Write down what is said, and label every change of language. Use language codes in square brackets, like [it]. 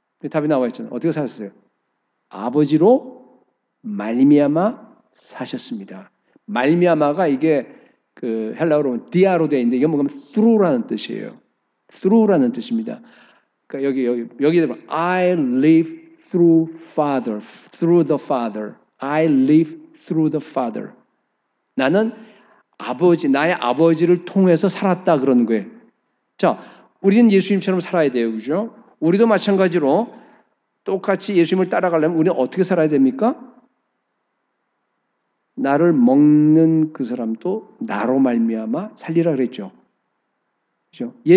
[ko] 답이 나와있잖아요. 어떻게 사셨어요? 아버지로 말미암아 사셨습니다. 말미암아가 이게 그 헬라어로 디아로 되어 있는데 이게 뭐냐면 through라는 뜻이에요. through라는 뜻입니다. 그러니까 여기 대면 [en] I live through Father, through the Father. I live through the Father. [ko] 나는 아버지, 나의 아버지를 통해서 살았다 그런 거예요. 자, 우리는 예수님처럼 살아야 돼요, 그죠? 우리도 마찬가지로 똑같이 예수님을 따라가려면 우리는 어떻게 살아야 됩니까? 나를 먹는 그 사람도 나로 말미암아 살리라 그랬죠. 그죠?